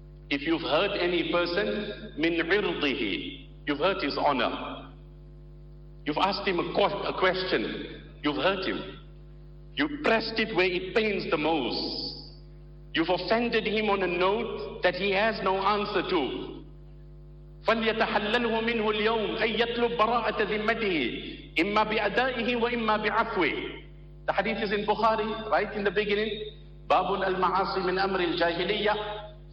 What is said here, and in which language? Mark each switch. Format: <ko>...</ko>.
<en>If you've hurt any person,</en> <ar>min irdihi,</ar> <en>you've hurt his honor. You've asked him a question, you've hurt him. You pressed it where it pains the most. You've offended him on a note that he has no answer to.</en> <ar>فليتحلله منه اليوم أن يطلب براءة ذمته إما بأدائه وإما بعفوه.</ar> <en>The hadith is in Bukhari, right in the beginning.</en> <ar>باب المعاصي من أمر الجاهلية.</ar>